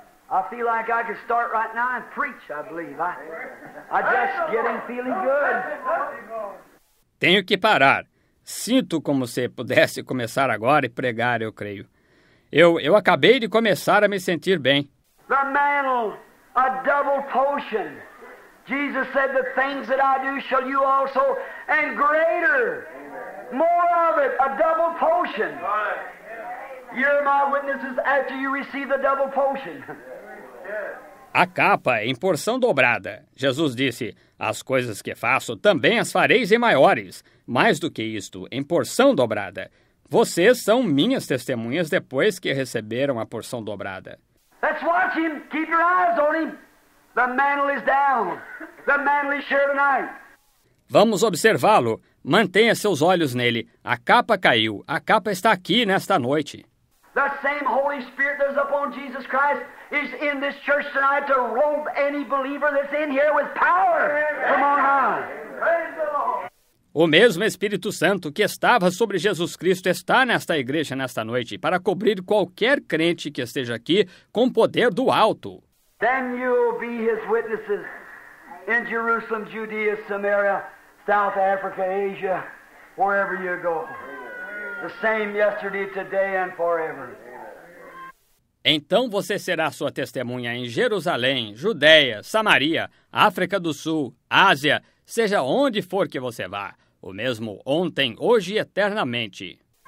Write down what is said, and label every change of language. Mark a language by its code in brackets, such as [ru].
[en] I feel like I could start right now and preach, I believe. I just getting feeling good. [pt] Tenho que parar. Sinto como se pudesse começar agora e pregar, eu creio. Eu acabei de começar a me sentir bem. [en] The mantle, a double potion. Jesus said, the things that I do shall you also, and greater, more of it, a double potion. You're my witnesses after you receive the double potion. [pt] A capa em porção dobrada. Jesus disse, as coisas que faço também as fareis em maiores. Mais do que isto, em porção dobrada. Vocês são minhas testemunhas depois que receberam a porção dobrada. [en] Let's watch him. Keep your eyes on him. The mantle is down. The mantle is here tonight. [pt] Vamos observá-lo. Mantenha seus olhos nele. A capa caiu. A capa está aqui nesta noite. [en] The same Holy Spirit that is upon Jesus Christ is in this church tonight to robe any believer that's in here with power. Come on, high. Praise the Lord. [pt] O mesmo Espírito Santo que estava sobre Jesus Cristo está nesta igreja nesta noite para cobrir qualquer crente que esteja aqui com poder do alto. [en] Then you'll be his witnesses in Jerusalem, Judea, Samaria, South Africa, Asia, wherever you go. The same yesterday, today and forever. [pt] Então você será sua testemunha em Jerusalém, Judeia, Samaria, África do Sul, Ásia, seja onde for que você vá. O mesmo ontem, hoje e eternamente.